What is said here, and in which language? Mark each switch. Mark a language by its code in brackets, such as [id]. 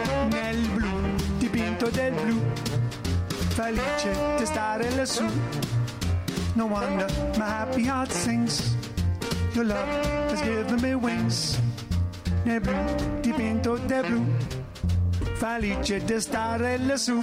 [it] Nel blu, dipinto del blu, felice di stare lassù. [en] No wonder my happy heart sings, your love has given me wings. [it] Nel blu, dipinto del blu, felice di stare lassù.